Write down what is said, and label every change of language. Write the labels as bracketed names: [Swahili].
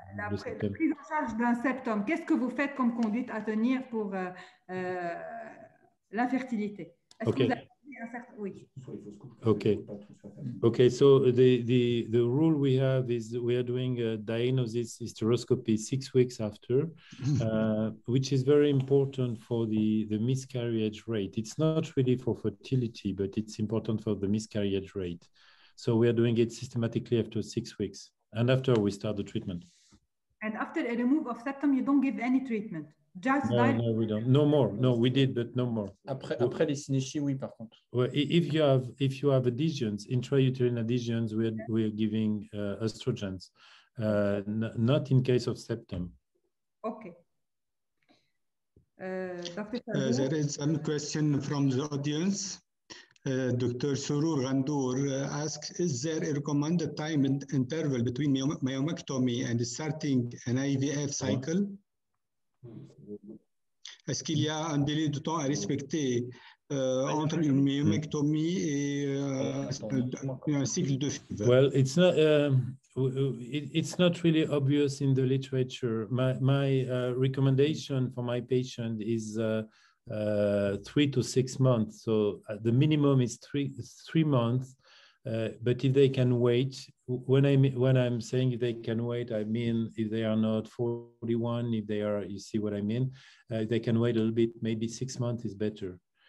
[French] La prise en charge d'un septum, qu'est-ce que vous faites comme conduite à tenir pour l'infertilité? [English] So the rule we have is we are doing a dianosis hysteroscopy 6 weeks after, which is very important for the miscarriage rate. It's not really for fertility, but it's important for the miscarriage rate. So we are doing it systematically after 6 weeks and after we start the treatment. And after a remove of septum, you don't give any treatment. Just no, no, we don't. No more. No, we did, but no more. [French] Après les synéchies, oui, par contre. [English] Well, if you have adhesions, intrauterine adhesions, we're giving estrogens, not in case of septum. Okay. There is some question from the audience. Dr. Surur Randour asks, is there a recommended time and interval between myomectomy and starting an IVF cycle? [French] Est-ce qu'il y a un délai de temps à respecter entre une myomectomy et un cycle de FIV? [English] Well, it's not really obvious in the literature. My recommendation for my patient is 3 to 6 months. So the minimum is three months, but if they can wait, when I'm saying if they can wait, I mean if they are not 41, if they are, you see what I mean, if they can wait a little bit, maybe 6 months is better.